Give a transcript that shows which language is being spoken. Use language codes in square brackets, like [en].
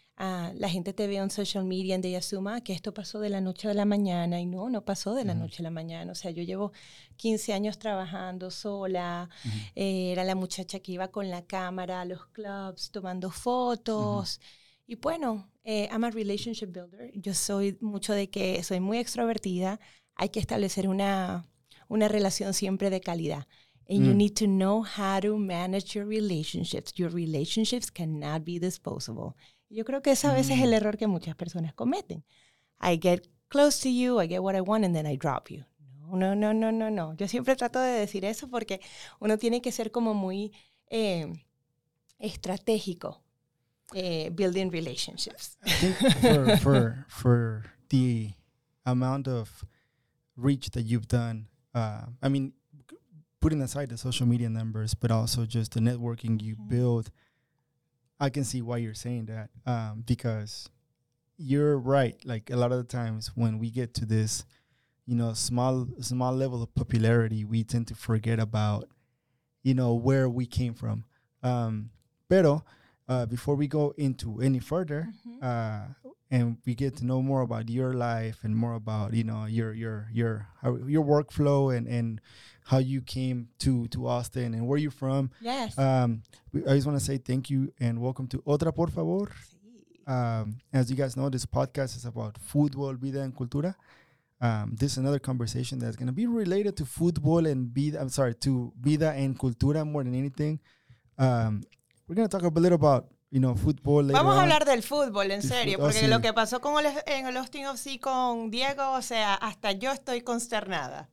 [es] La gente te ve en social media y asuma que esto pasó de la noche a la mañana, y no pasó de la noche a la mañana. O sea, yo llevo 15 años trabajando sola, era la muchacha que iba con la cámara a los clubs tomando fotos. Y bueno, [en] I'm a relationship builder. [es] Yo soy mucho de que soy muy extrovertida. Hay que establecer una relación siempre de calidad. [en] And you need to know how to manage your relationships. Your relationships cannot be disposable. [es] Yo creo que esa a veces es el error que muchas personas cometen. [en] I get close to you, I get what I want, and then I drop you. [es] No. Yo siempre trato de decir eso porque uno tiene que ser como muy estratégico [en] building relationships. I think for the amount of reach that you've done, I mean, putting aside the social media numbers, but also just the networking you build, I can see why you're saying that, because you're right. Like, a lot of the times when we get to this, you know, small level of popularity, we tend to forget about, you know, where we came from. Before we go into any further, and we get to know more about your life and more about, you know, your workflow and how you came to Austin and where you're from. Yes. I just want to say thank you and welcome to Otra, por favor. Sí. As you guys know, this podcast is about football, vida, and cultura. This is another conversation that's going to be related to football and vida, I'm sorry, to vida and cultura more than anything. We're going to talk a little about, you know, football. Later. [es] Vamos a hablar del fútbol, en serio, porque lo que pasó con el Austin FC con Diego, o sea, hasta yo estoy consternada.